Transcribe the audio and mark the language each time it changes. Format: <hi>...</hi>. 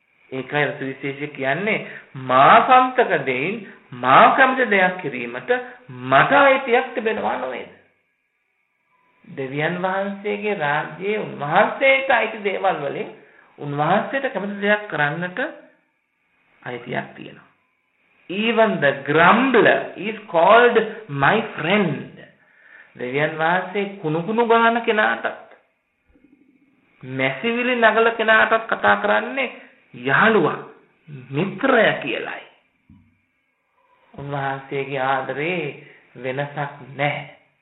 <si>ඒකයි සුවිශේෂය කියන්නේ, මාසන්තක දෙයින් මා කැමති දෙයක් කිරීමට මට අයිතියක් තිබෙනවා නොවේද? දෙවියන් වහන්සේගේ රාජ්‍යයේ උන්වහන්සේට අයිති දේවල් වලින් උන්වහන්සේට කැමති දෙයක් කරන්නට අයිතියක් තියෙනවා.</si> <en>Even the grumbler is called my friend.</en> <si>දෙවියන් වහන්සේ කුණුකුණු ගන්න කෙනාටත්, මැසිවිලි නගල කෙනාටත් කතා කරන්නේ යාළුවා, මිත්‍රය කියලයි. උන්වහන්සේගේ ආදරේ වෙනසක් නැහැ.</si>